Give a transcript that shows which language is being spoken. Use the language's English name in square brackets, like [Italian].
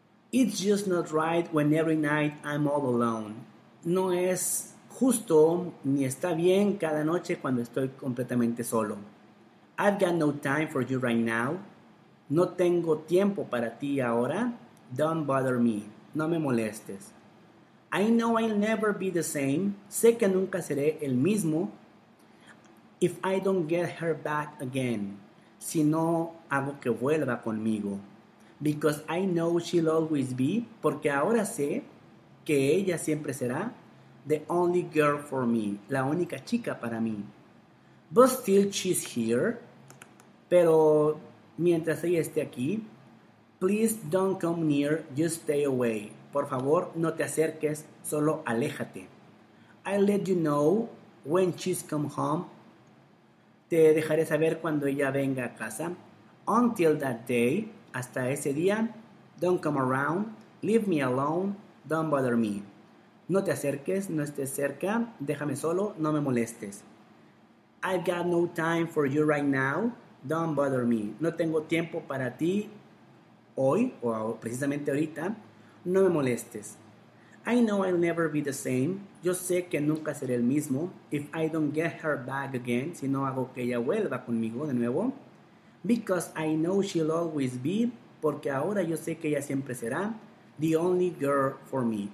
[English] It's just not right when every night I'm all alone. [Spanish] No es justo ni está bien cada noche cuando estoy completamente solo. [English] I've got no time for you right now. [Spanish] No tengo tiempo para ti ahora. [English] Don't bother me. [Spanish] No me molestes. [English] I know I'll never be the same. [Spanish] Sé que nunca seré el mismo. [English] If I don't get her back again. [Spanish] Si no hago que vuelva conmigo. [English] Because I know she'll always be. [Spanish] Porque ahora sé que ella siempre será. [English] The only girl for me. [Spanish] La única chica para mí. [English] But still she's here. [Spanish] Pero mientras ella esté aquí. [English] Please don't come near. Just stay away. [Spanish] Por favor, no te acerques, solo aléjate. [English] I'll let you know when she's come home. [Spanish] Te dejaré saber cuando ella venga a casa. [English] Until that day, [Spanish] hasta ese día, [English] don't come around, leave me alone, don't bother me. [Spanish] No te acerques, no estés cerca, déjame solo, no me molestes. [English] I've got no time for you right now, don't bother me. [Spanish] No tengo tiempo para ti hoy, o precisamente ahorita. No me molestes. [English] I know I'll never be the same. [Spanish] Yo sé que nunca seré el mismo. [English] If I don't get her back again. [Spanish] Si no hago que ella vuelva conmigo de nuevo. [English] Because I know she'll always be. [Spanish] Porque ahora yo sé que ella siempre será. [English] The only girl for me.